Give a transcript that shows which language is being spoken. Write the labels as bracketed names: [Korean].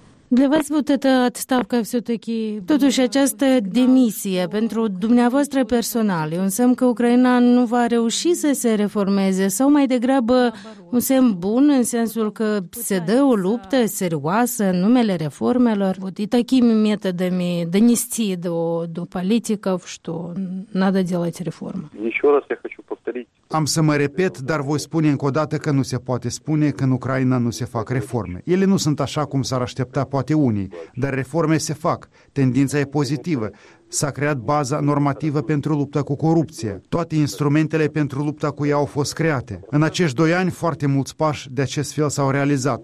[Russian] Для вас вот эта отставка все-таки... [Romanian] Totuși, această demisie pentru dumneavoastră personal e un semn că Ucraina nu va reuși să se reformeze sau mai degrabă un semn bun în sensul că se dă o luptă serioasă în numele reformelor? [Russian] И такими методами донести до политиков, что надо делать реформы. Еще раз я хочу повторить. [Romanian] Am să mă repet, dar voi spune încă o dată că nu se poate spune că în Ucraina nu se fac reforme. Ele nu sunt așa cum s-ar aștepta poate unii, dar reforme se fac. Tendința e pozitivă. S-a creat baza normativă pentru lupta cu corupția. Toate instrumentele pentru lupta cu ea au fost create. În acești 2 ani, foarte mulți pași de acest fel s-au realizat.